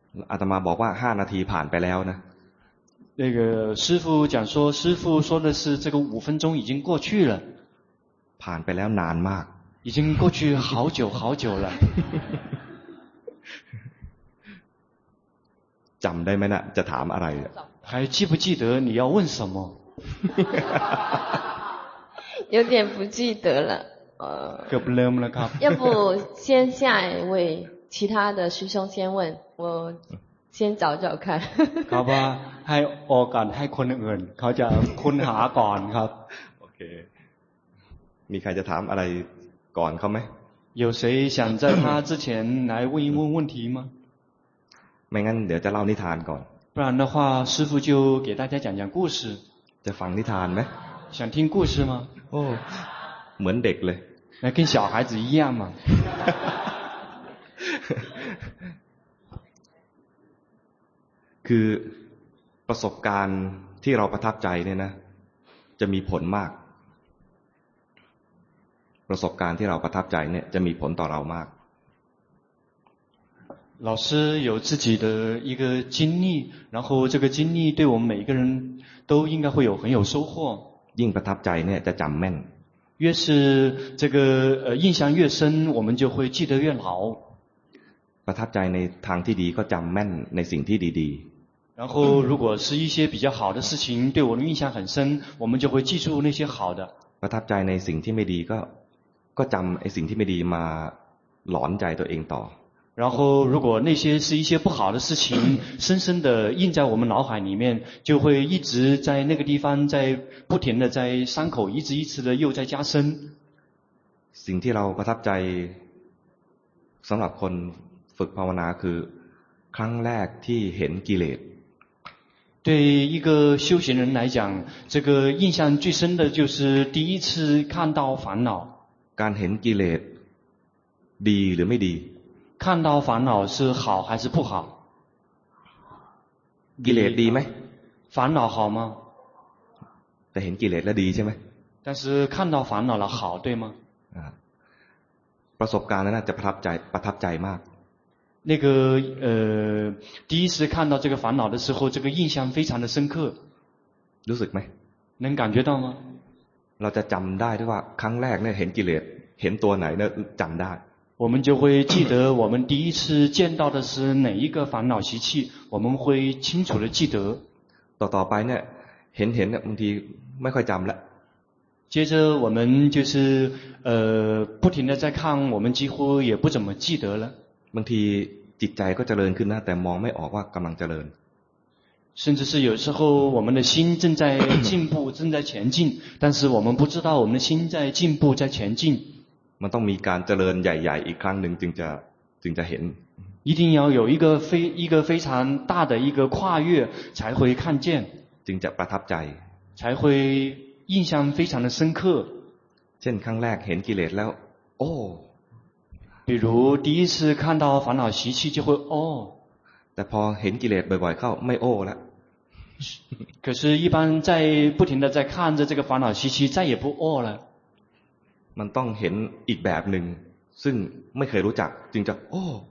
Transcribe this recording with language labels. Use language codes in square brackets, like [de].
[th] อาตมาบอกว่า5นาทีผ่านไปแล้วนะ [zh] 那个师父讲说师父说的是这个五分钟已经过去了 [th] ผ่านไปแล้วนานมาก [zh] 已经过去好久好久了 [th] จำได้ไหมนะจะถามอะไร [zh] 还记不记得你要问什么有点不记得了 [th] เกือบลืมแล้วครับ [zh] 要不先下一位其他的师兄先问我先找找看 [th] ครับว่าให้โอกาสให้คนอื่นเขาจะค้นหาก่อนครับ โอเคมีใครจะถามอะไรก่อนเขาไหม [zh] 有谁想在他之前来问一问问题吗 [th] ไม่งั้นเดี๋ยวจะเล่านิทานก่อน [zh] 不然的话师父就给大家讲讲故事 [th] จะฟังนิทานไหม [zh] 想听故事吗 [th] โอ้เหมือนเด็กเลย [zh] 那跟小孩子一样嘛 [th] คือประสบการณ์ที่เราประทับใจเนี่ยนะจะมีผลมากประสบการณ์ที่เราประทับใจเนี่ยจะมีผลต่อเรามาก [zh] 老师有自己的一个经历然后这个经历对我们每一个人都应该会有很有收获 [th] ยิ่งประทับใจเนี่ยจะจำแม่น [zh] 越是这个印象越深我们就会记得越牢 [th] ประทับใจในทางที่ดีก็จำแม่นในสิ่งที่ดี [zh] ๆ然后如果是一些比较好的事情对我们印象很深我们就会记住那些好的 [th] ประทับใจในสิ่งที่ไม่ดีก็จำไอ้สิ่งที่ไม่ดีมาหลอนใจตัวเองต่อ [zh] 然后如果那些是一些不好的事情深深的印在我们脑海里面就会一直在那个地方在不停的在伤口一直一直的又在加深 [th] สิ่งที่เราประทับใจสำหรับคนฝึกภาวนาคือครั้งแรกที่เห็นกิเลส [zh] 对一个修行人来讲这个印象最深的就是第一次看到烦恼 [th] การเห็นกิเลสดีหรือไม่ดี [zh] 看到烦恼是好还是不好 [th] กิเลสดีไหม [zh] 烦恼好吗 [th] แต่เห็นกิเลสแล้วดีใช่ไหม [zh] 但是看到烦恼了好对吗 [th] ประสบการณ์นั้นจะประทับใจมาก [zh] 那个第一次看到这个烦恼的时候这个印象非常的深刻 [th] รู้สึกไหม [zh] 能感觉到吗 [th] เราจะจำได้ด้วยว่าครั้งแรกเนี่ยเห็นกิเลสเห็นตัวไหนเนี่ยจำได้ [zh] 我们就会记得我们第一次见到的是哪一个烦恼习气我们会清楚的记得 [th] ต่อไปเนี่ยเห็นบางทีไม่ค่อยจำละ [zh] 接着我们就是不停的在看我们几乎也不怎么记得了 [th] บางทีจิตใจก็เจริญขึ้นนะแต่มองไม่ออกว่ากำลังเจริญ [zh] 甚至是有时候我们的心正在进步正在前进但是我们不知道我们的心在进步在前进 [th] มันต้องมีการเจริญใหญ่ๆอีกครั้งหนึ่งจึงจะเห็น [zh] 一定要有一个非常大的一个跨越才会看见 [th] จึงจะประทับใจ [zh] 才会印象非常的深刻 [th] เช่นครั้งแรกเห็นกิเลสแล้วโอ้ [zh] 比如第一次看到烦恼习气就会โอ้ [th] แต่พอเห็นกิเลสบ่อยๆเข้าไม่โอ้แล้ว [zh] 可是一般在不停的在看着这个烦恼习气再也不โอ้了 [th] มันต้องเห็นอีกแบบหนึ่งซึ่งไม่เคยรู้จักจึงจะโอ้